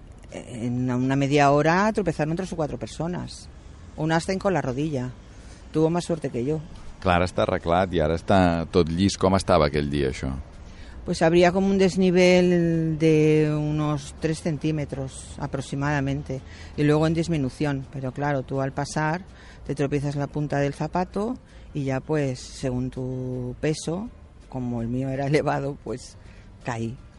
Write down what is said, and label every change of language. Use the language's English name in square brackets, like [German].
[Spanish] En una media hora tropezaron 3 o 4 personas. Una hasta en con la rodilla. Tuvo más suerte que yo. [Catalan] Clar, està arreglat i ara està tot llis. Com estava aquell dia, això? [Spanish] Pues habría como un desnivel de unos 3 centímetros aproximadamente. Y luego en disminución. Pero claro, tú al pasar te tropiezas la punta del zapato y ya pues, según tu peso, como el mío era elevado, pues caí.